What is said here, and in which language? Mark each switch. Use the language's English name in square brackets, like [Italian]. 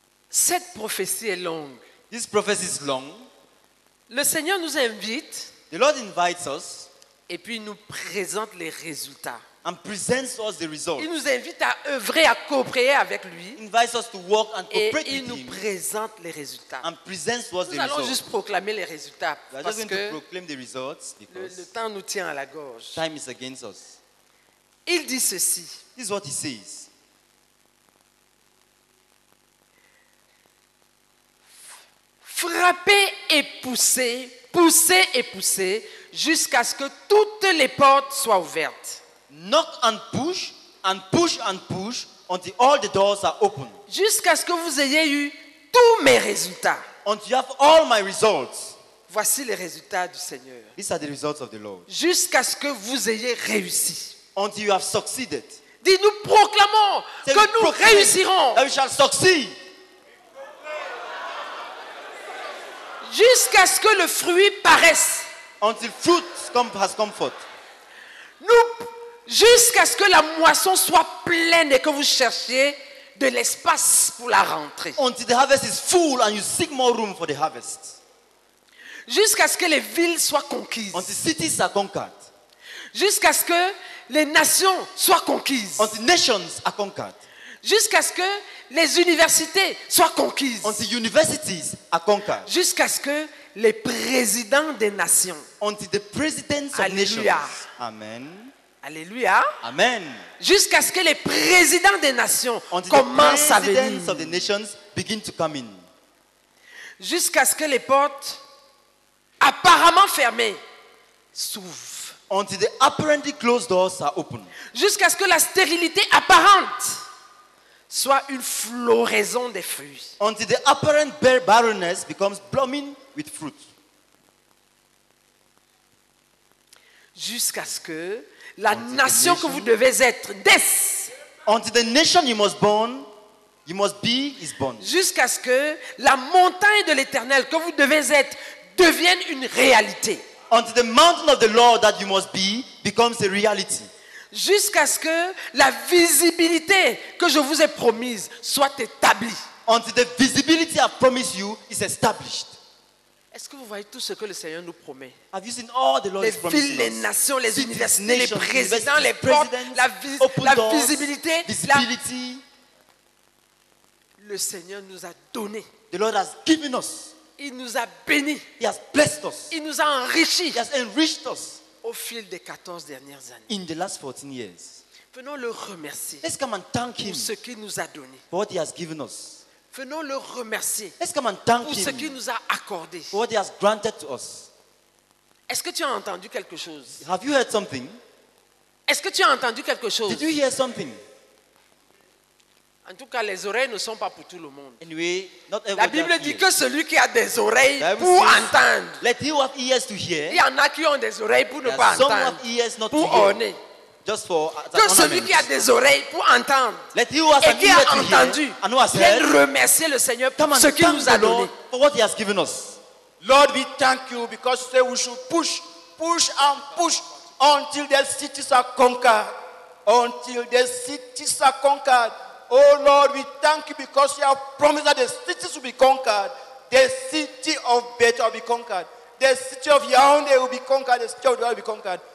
[French] Cette prophétie est longue. [English] This prophecy is long. [French] Le Seigneur nous invite. [English] The Lord invites us, [French] et puis il nous présente les résultats. [English] And presents us the results. [French] Il nous invite à œuvrer, à coopérer avec lui. [English] Invites us to work and cooperate with him. [French] Et il nous présente les résultats. [English] And presents us the results. [French] Nous allons juste proclamer les résultats. [English] We are just going to proclaim the results because [French] le temps nous tient à la gorge. [English] Time is against us. [French] Il dit ceci. [English] This is what he says. [French] Frapper et pousser. Poussez et poussez jusqu'à ce que toutes les portes soient ouvertes. [English] Knock and push, and push and push until all the doors are open. [French] Jusqu'à ce que vous ayez eu tous mes résultats. [English] Until you have all my results. [French] Voici les résultats du Seigneur. [English] These are the results of the Lord. [French] Jusqu'à ce que vous ayez réussi. [English] Until you have succeeded. [French] Dis, nous proclamons [English] that [French] que nous réussirons. [English] That we shall succeed. [French] Jusqu'à ce que le fruit paraisse. [English] Until fruit has come forth. [French] Jusqu'à ce que la moisson soit pleine et que vous cherchiez de l'espace pour la rentrée. [English] Until the harvest is full and you seek more room for the harvest. [French] Jusqu'à ce que les villes soient conquises. [English] Until cities are conquered. [French] Jusqu'à ce que les nations soient conquises. [English] Until nations are conquered. [French] Jusqu'à ce que les universités soient conquises. [English] Until universities are conquered. [French] Jusqu'à ce que les présidents des nations. [English] Until the presidents of nations. [French] Alléluia. Amen. Alléluia. Amen. Jusqu'à ce que les présidents des nations [English] until [French] commencent à venir. [English] The presidents of the nations begin to come in. [French] Jusqu'à ce que les portes apparemment fermées s'ouvrent. [English] Until the apparently closed doors are open. [French] Jusqu'à ce que la stérilité apparente soit une floraison des fruits. [English] Until the apparent barrenness becomes blooming with fruit. [French] Jusqu'à ce que la nation, nation que vous devez être des. [English] Until the nation you must be is born. [French] Jusqu'à ce que la montagne de l'Éternel que vous devez être devienne une réalité. [English] Until the mountain of the Lord that you must be becomes a reality. [French] jusqu'à ce que la visibilité que je vous ai promise soit établie. [English] Until the visibility I promise you is established. [French] Est-ce que vous voyez tout ce que le Seigneur nous promet? [English] Have you seen all the Lord's promises? [French] Les villes, les nations, les universités, les présidents, les portes, la visibilité, [English] visibility. [French] Le Seigneur nous a donné. [English] The Lord has given us. [French] Il nous a bénis. [English] He has blessed us. [French] Il nous a enrichis. [English] He has enriched us. [French] Au fil des 14 dernières années. [English] In the last 14 years. [French] Venons le remercier. [English] Let's come and thank him. [French] Pour ce qu'il nous a donné. [English] For what he has given us. [French] Venons le remercier. [English] Let's come and thank [French] pour [English] him. [French] Pour ce qu'il nous a accordé. [English] For what he has granted to us. [French] Est-ce que tu as entendu quelque chose? [English] Have you heard something? [French] Est-ce que tu as entendu quelque chose? [English] Did you hear something? [French] En tout cas, les oreilles ne sont pas pour tout le monde. [English] Anyway, not [French] la Bible dit que celui qui a des oreilles pour entendre. [English] Let him have ears to hear. [French] Il y en a qui ont des oreilles pour ne pas entendre. [English] Some have ears not [French] pour [English] to hear. [French] Pour orner. [English] Just for. [French] Que celui qui a des oreilles pour entendre. [English] Let him have [French] et qui a entendu. [English] And who has heard. [French] Vient remercier le Seigneur pour ce qu'il nous a donné. [English] For what he has given us. Lord, we thank you because today we should push, push and push until the cities are conquered. Until the cities are conquered. Oh Lord, we thank you because you have promised that the cities will be conquered. The city of Beth will be conquered. The city of Yaoundé will be conquered. The city of Dua will be conquered.